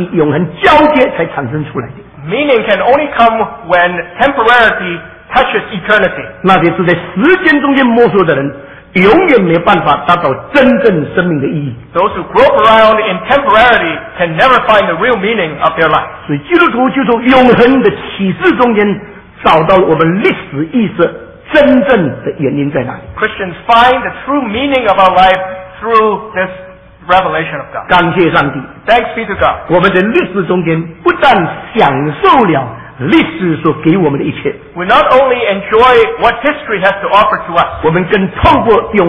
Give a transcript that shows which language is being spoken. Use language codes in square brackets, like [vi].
[zh] 如果意义是从暂时与永恒交接才产生出来的。 [en] Meaning can only come when temporarity touches eternity. [zh] 那些是在时间中间摸索的人，永远没办法达到真正生命的意义。 [en] Those who grope around in temporality can never find the real meaning of their life. [zh] 所以基督徒就从永恒的启示中间找到了我们历史意识真正的原因在哪里。 [en] Christians find the true meaning of our life through this revelation of God. [zh] 感谢上帝。 [en] Thanks be to God. [zh] 我们在历史中间不但享受了 [en] We not only enjoy what history has to offer to us.